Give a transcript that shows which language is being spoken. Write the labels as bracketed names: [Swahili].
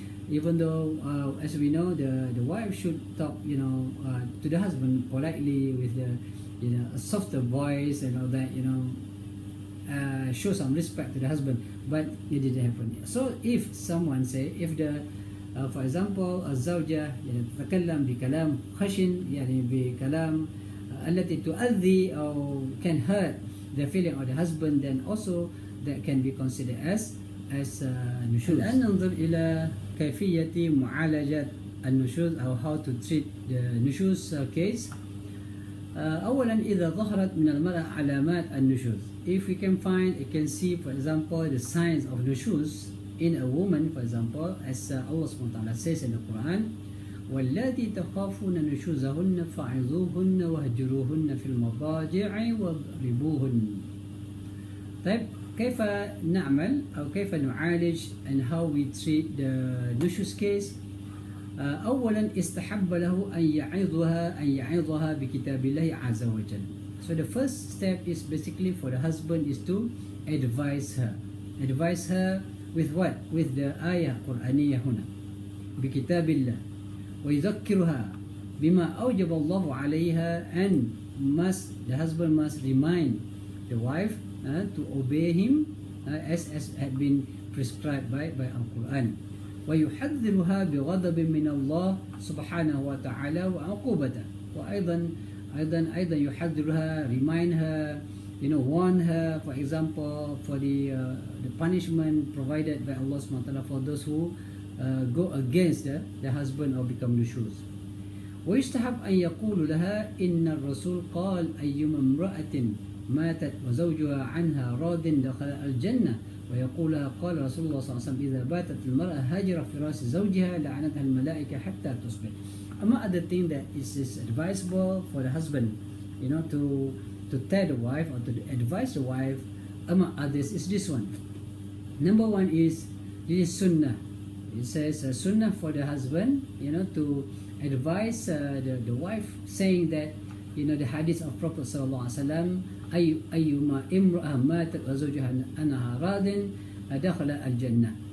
[English] Even though, as we know, the wife should talk, you know, to the husband politely with the, you know, a softer voice and all that, you know, show some respect to the husband. But it didn't happen. So if someone say, if the For example, [Arabic] الزوجة يعني تتكلم بكلام خشن يعني بكلام التي تؤذي أو [English] can hurt the feeling of the husband, then also that can be considered as نشوز. [Arabic] الآن ننظر إلى كيفية معالجة النشوز أو [English] how to treat the [Arabic] نشوز case. أولا إذا ظهرت من المرأة علامات النشوز, [English] if we can find, we can see for example the signs of نشوز in a woman, for example, as Allah subhanahu wa ta'ala says in the Quran, [Arabic] وَالَّذِي تَخَافُونَ نُشُوزَهُنَّ فَعِظُوهُنَّ وَهَجِرُوهُنَّ فِي الْمَضَاجِعِ وَاضْرِبُوهُنَّ. طيب كيف نعمل أو كيف نعالج [English] and how we treat the nushuz case. [Arabic] أولا استحب له أن يعظها, أن يعظها بكتاب الله عز وجل. [English] So the first step is basically for the husband is to advise her with what? With the ayah Qur'aniyah [Arabic] هنا بكتاب الله. ويذكرها بما أوجب الله عليها, [English] and must, the husband must remind the wife to obey him as had been prescribed by the Quran. [Arabic] ويحذرها بغضب من الله سبحانه وتعالى وعقوبته. وأيضا أيضا يحذرها, [English] remind her, you know, warn her, for example, for the punishment provided by Allah سبحانه وتعالى for those who go against the husband or become nushuz. [Arabic] ويستحب أن يقول لها إن الرسول قال أيما امرأة ماتت وزوجها عنها راض دخل الجنة. ويقولها قال رسول الله صلى الله عليه وسلم إذا باتت المرأة هاجرة في رأس زوجها لعنتها الملائكة حتى تصبح. [English] Among other things that is advisable for the husband, you know, to tell the wife or to advise the wife, among others is this one. Number one is this sunnah. It says a sunnah for the husband, you know, to advise the wife, saying that, you know, the hadith of Prophet sallallahu alaihi wasallam, [Arabic] ayyuma imra'a matat wa zawjaha anha radin dakhala al-jannah.